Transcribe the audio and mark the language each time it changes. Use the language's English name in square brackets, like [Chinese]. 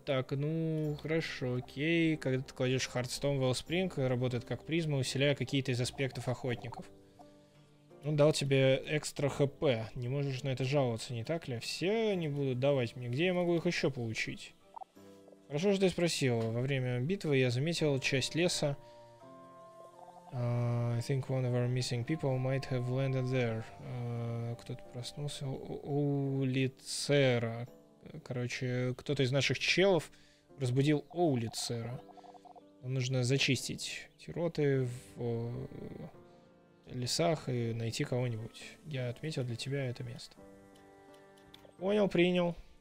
[Russian] Так, ну, хорошо, окей. Когда ты кладешь хардстоун в Wellspring, работает как призма, усиляя какие-то из аспектов охотников. Он дал тебе экстра хп. Не можешь на это жаловаться, не так ли? Все они будут давать мне. Где я могу их еще получить? Хорошо, что ты спросил. Во время битвы я заметил часть леса. [English] I think one of our missing people might have landed there. [Russian] Кто-то проснулся. Улицера. Короче, кто-то из наших челов разбудил Улицера. Нам нужно зачистить тироты в... лесах и найти кого-нибудь. Я отметил для тебя это место. Понял, принял.